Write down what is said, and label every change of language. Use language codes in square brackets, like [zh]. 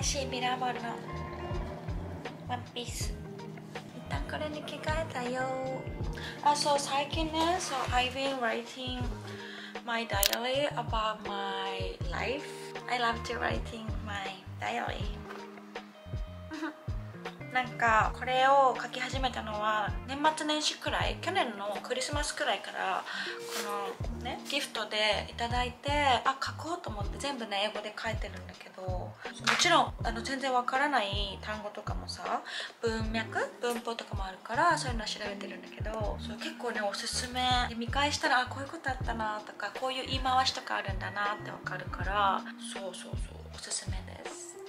[ja] ミラーボールのワンピース一旦これに着替えたよ。あ、そう、最近ね、そう、 [en] I've been writing my diary about my life. I love to writing my diary. [ja] なんかこれを書き始めたのは年末年始くらい、去年のクリスマスくらいから、このね、ギフトでいただいて、あ、書こうと思って全部ね英語で書いてるんだけど、もちろんあの全然わからない単語とかもさ、文脈文法とかもあるから、そういうの調べてるんだけど、そう、結構ねおすすめで、見返したら、あ、こういうことあったなとか、こういう言い回しとかあるんだなってわかるから、そうそうそう、おすすめです。